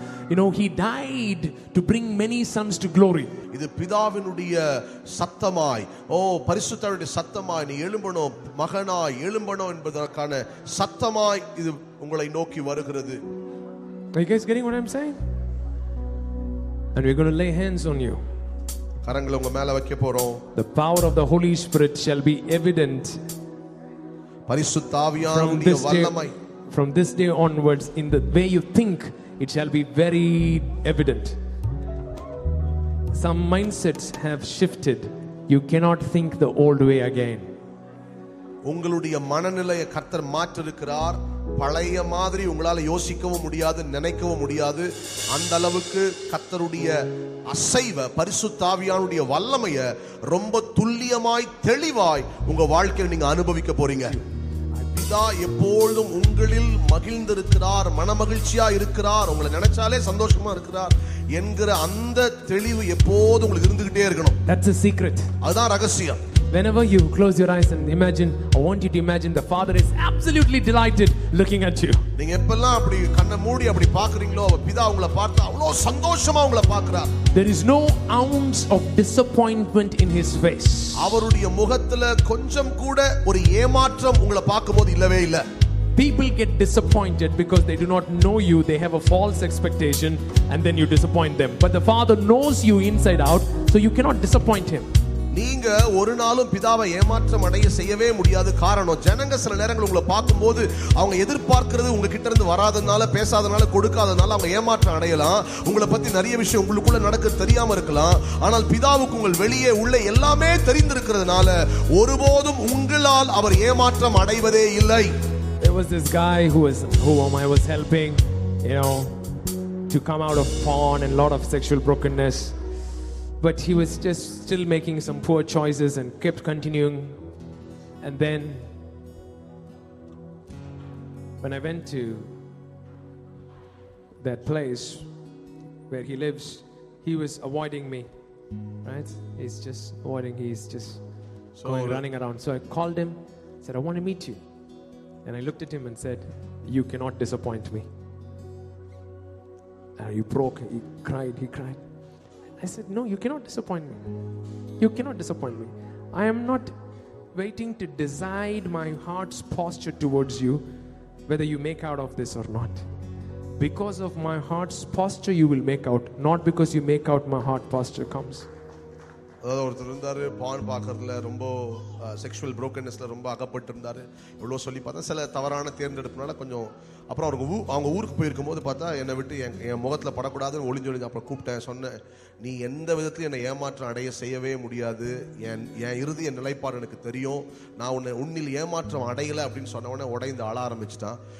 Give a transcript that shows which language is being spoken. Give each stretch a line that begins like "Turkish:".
English: You know, he died to bring many sons to glory.
Tamil: இது பிதாவினுடைய சத்தமாய், ஓ பரிசுத்தருடைய சத்தமாய், நீ எழும்பணும் மகனாய், எழும்பணும் என்பதற்கான சத்தமாய் இது உங்களை நோக்கி வருகிறது.
English: Are you guys getting what I'm saying? And we're going to lay hands on you.
Tamil: கரங்களை உங்க மேல வைக்க போறோம்.
English: The power of the Holy Spirit shall be evident.
Tamil: பரிசுத்த ஆவியானவருடைய வல்லமை.
English: From this day onwards, in the way you think, it shall be very evident. Some mindsets have shifted. You cannot think the old way again.
Tamil: உங்களுடைய மனநிலைய கர்த்தர் மாற்றிருக்கிறார். பழைய மாதிரி உங்களால யோசிக்கவும் முடியாது, நினைக்கவும் முடியாது. அந்த அளவுக்கு கர்த்தருடைய அசைவ பரிசுத்த ஆவியானுடைய வல்லமைய ரொம்ப துல்லியமாய் தெளிவாய் உங்க வாழ்க்கையில நீங்க அனுபவிக்க போறீங்க. பிதா எப்பொழுதும் உங்களில் மகிழ்ந்திருக்கிறார், மனமகிழ்ச்சியா இருக்கிறார், உங்களை நினைச்சாலே சந்தோஷமா இருக்கிறார் என்கிற அந்த தெளிவு எப்போதும் உங்களுக்கு இருந்துகிட்டே இருக்கணும்.
English: That's a secret.
Tamil: அதுதான் ரகசியம்.
English: Whenever you close your eyes and imagine, I want you to imagine the Father is absolutely delighted looking at you.
Tamil: நீங்க எப்பல்லாம் அப்படி கண்ணை மூடி அப்படி பாக்குறீங்களோ பிதா உங்களை பார்த்து அவ்வளவு சந்தோஷமா உங்களை பார்க்கிறார்.
English: There is no ounce of disappointment in his face.
Tamil: அவருடைய முகத்துல கொஞ்சம் கூட ஒரு ஏமாற்றம் உங்களை பார்க்கும்போது இல்லவே இல்ல.
English: People get disappointed because they do not know you. They have a false expectation and then you disappoint them. But the Father knows you inside out, so you cannot disappoint him.
Tamil: நீங்க ஒரு நாளும் பிதாவை ஏமாற்றம் அடைய செய்யவே முடியாது. காரணம், ஜனங்க சில நேரங்கள் உங்களை பார்க்கும் போது அவங்க எதிர்பார்க்கறது உங்ககிட்ட இருந்து வராதனால, பேசாதனால, கொடுக்காதனால அவங்க ஏமாற்றம் அடையலாம். உங்களை பத்தி நிறைய விஷயம் உங்களுக்குள்ள நடக்க தெரியாம இருக்கலாம். ஆனால் பிதாவுக்கு உங்கள் வெளியே உள்ள எல்லாமே தெரிந்திருக்கிறதுனால ஒருபோதும் உங்களால் அவர் ஏமாற்றம் அடைவதே இல்லை.
English: There was this guy who I was helping, you know, to come out of porn and lot of sexual brokenness. But he was just still making some poor choices and kept continuing. And then when I went to that place where he lives, he was avoiding me, right? He's just avoiding, he's just running around. So I called him, said, I want to meet you. And I looked at him and said, you cannot disappoint me. And he broke, he cried. I said, no, you cannot disappoint me. You cannot disappoint me. I am not waiting to decide my heart's posture towards you, whether you make out of this or not. Because of my heart's posture, you will make out. Not because you make out, my heart posture comes.
Tamil: ஒருத்தர் இருந்தாரு பான் பாக்கறதுல ரொம்ப sexual ப்ரோக்கன்னஸ்ல ரொம்ப அகப்பட்டு இருந்தாரு. எவ்வளவு சொல்லி பார்த்தா சில தவறான தேர்ந்தெடுப்புனால கொஞ்சம் அப்புறம் அவங்க ஊருக்கு போயிருக்கும் போது பார்த்தா என்னை விட்டு என் முகத்துல படக்கூடாதுன்னு ஒளிஞ்சொழிஞ்சு அப்புறம் கூப்பிட்டேன், சொன்னேன், நீ எந்த விதத்துல என்னை ஏமாற்றம் அடைய செய்யவே முடியாது, என் இறுதிய நிலைப்பாடு எனக்கு தெரியும், நான் உன்னை உன்னில் ஏமாற்றம் அடையலை அப்படின்னு சொன்ன உடனே உடைந்து ஆள ஆரம்பிச்சுட்டான்.